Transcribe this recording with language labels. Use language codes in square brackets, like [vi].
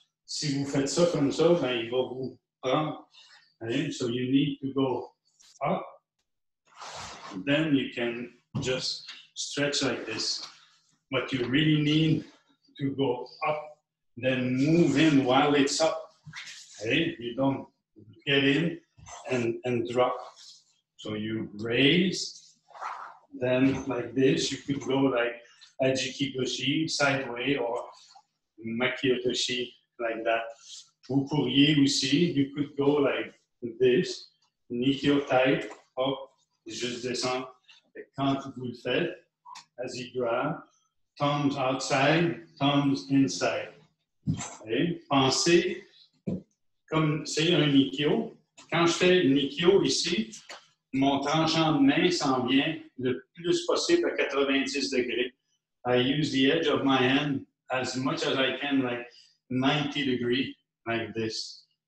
[fr] Si vous faites ça comme ça, ben, il va vous prendre. [en] Okay? So you need to go up, then you can just stretch like this. But you really need to go up, then move in while it's up. Okay, you don't get in and drop. So you raise, then like this, you could go like Ajikiboshi, sideways, or Makiotoshi, like that. [fr] Vous pourriez aussi, [en] you could go like this, Nikyo Tai, hop, [fr] juste descendre. Quand vous le faites, [en] as you grab, thumbs outside, thumbs inside. Okay. [fr] Pensez, comme c'est un Nikyo, quand je fais Nikyo ici, mon tangent de main s'en vient le plus possible à 90 degrés. [en] I use the edge of my hand as much as I can, like 90 degrees, like this.